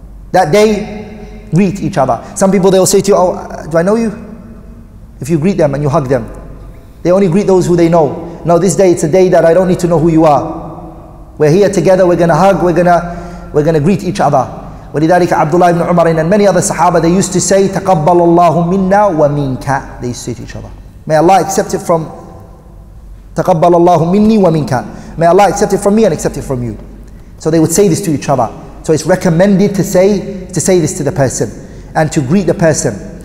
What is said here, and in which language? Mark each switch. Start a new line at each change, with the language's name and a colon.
English: That day, greet each other. Some people, they'll say to you, oh, do I know you? If you greet them and you hug them, they only greet those who they know. No, this day, it's a day that I don't need to know who you are. We're here together, we're gonna hug, we're gonna greet each other.
Arabic: ولذلك عبد الله بن عمر
English: and many other Sahaba, they used to say,
Arabic: تقبل الله منا ومنك.
English: They used to say to each other, may Allah accept it from,
Arabic: تقبل الله مني ومنك.
English: May Allah accept it from me and accept it from you. So they would say this to each other. So it's recommended to say this to the person and to greet the person.